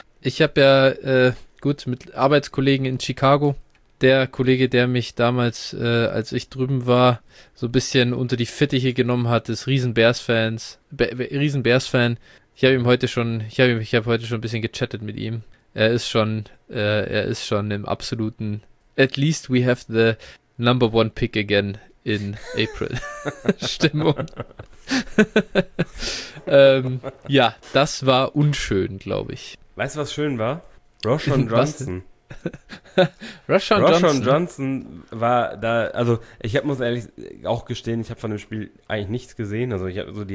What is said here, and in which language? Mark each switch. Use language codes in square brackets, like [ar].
[de] Ich habe ja gut mit Arbeitskollegen in Chicago, der Kollege, der mich damals, als ich drüben war, so ein bisschen unter die Fittiche genommen hat, ist Riesen-Bears-Fan. Ich habe heute schon ein bisschen gechattet mit ihm. Er ist schon im absoluten. [en] At least we have the number one pick again in April. [de] Stimmung. ja, das war unschön, glaube ich. Weißt du, was schön war? Roschon Was denn? Johnson. Rashawn Roschon Johnson. Johnson war da, also ich muss ehrlich auch gestehen, ich habe von dem Spiel eigentlich nichts gesehen. Also ich habe so die